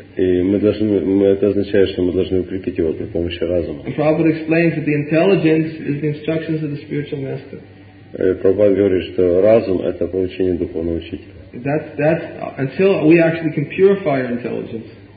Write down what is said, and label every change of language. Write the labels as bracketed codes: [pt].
[ru] И мы должны, это означает, что мы должны укрепить его при помощи разума. [en] Prabhupada explains that the intelligence is the instructions of the spiritual master. [ru] Прабхупада говорит, что разум — это получение духовного учителя. [en] That's until we actually can purify our intelligence.